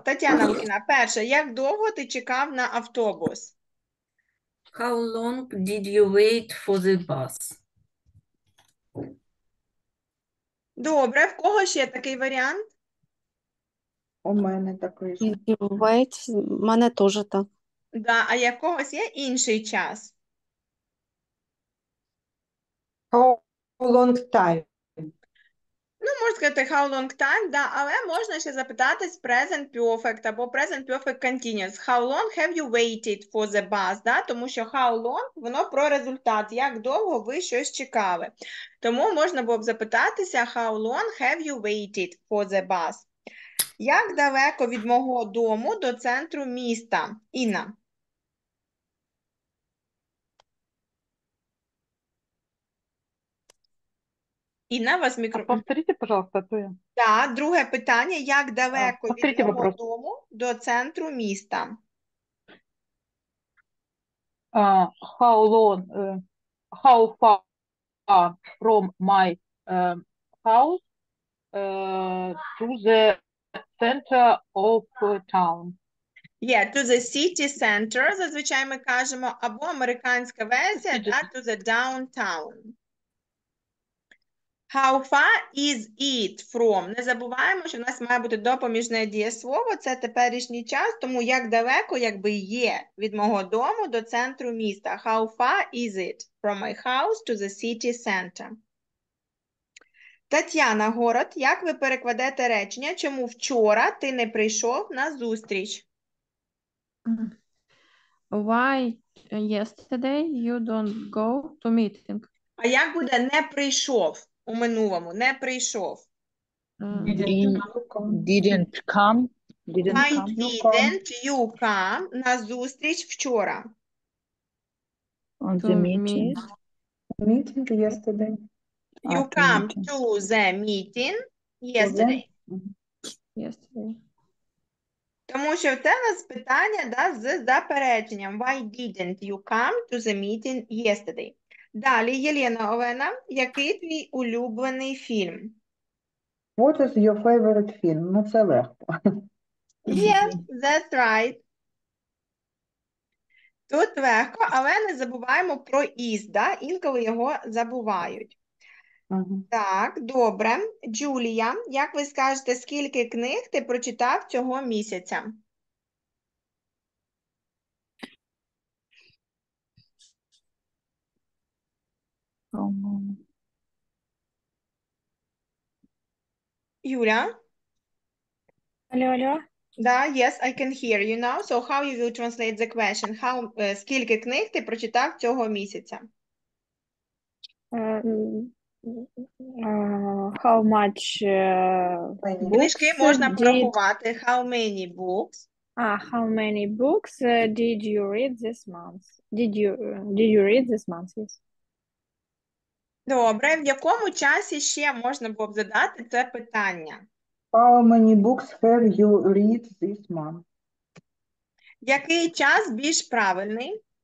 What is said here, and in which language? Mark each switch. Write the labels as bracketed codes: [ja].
[uk] Тетяна Лукіна, перше, як довго ти чекав на автобус? [en] How long did you wait for the bus? [uk] Добре, в кого ще такий варіант? У мене такий. [en] Did you wait? [uk] В мене теж так. Да, а я когось є інший час? [en] How long time? [uk] Ну, можна сказати [en] how long time, [uk] да, але можна ще запитатись present perfect або present perfect continuous. [en] How long have you waited for the bus? [uk] Да? Тому що [en] how long, [uk] воно про результат, як довго ви щось чекали. Тому можна було б запитатися [en] how long have you waited for the bus? [uk] Як далеко від мого дому до центру міста? Інна. Інна, вас мікрофон. Повторіть, будь ласка, це. Так, друге питання. Як далеко від мого дому до центру міста? [en] How long, how far from my house to the center of town? Yeah, to the city center, [uk] зазвичай ми кажемо, або американська версія, да, [en] to the downtown. How far is it from? [uk] Не забуваємо, що в нас має бути допоміжне дієслово, це теперішній час, тому як далеко якби є від мого дому до центру міста. [en] How far is it from my house to the city center? [uk] Тетяна Город, як ви перекладете речення, чому вчора ти не прийшов на зустріч? [en] Why yesterday you don't go to meeting? [uk] А як буде не прийшов? У минулому не прийшов. [en] Didn't come. Didn't you come [uk] на зустріч вчора? [en] On the meeting. Meeting yesterday. You come to the meeting yesterday. Yesterday. [uk] Тому що в тебе питання, да, з запереченням. [en] Why didn't you come to the meeting yesterday? [uk] Далі, Єлена Олена, який твій улюблений фільм? [en] What is your favorite film? [uk] Ну, це легко. [en] Yes, that's right. [uk] Тут легко, але не забуваємо про is, да? Інколи його забувають. Uh-huh. Так, добре. Джулія, як ви скажете, скільки книг ти прочитав цього місяця? Юля? Алло, алло. [en] Да, yes, I can hear you now. So how you will translate the question? How, [uk] скільки книг ти прочитав цього місяця? [en] How much [uk] книжки можна прорахувати? [en] How many books? How many books did you read this month? Did you read this month? Yes. [uk] Добре, в якому часі ще можна було б задати це питання? [en] How many books have you read this month? [uk] Який час більш правильний?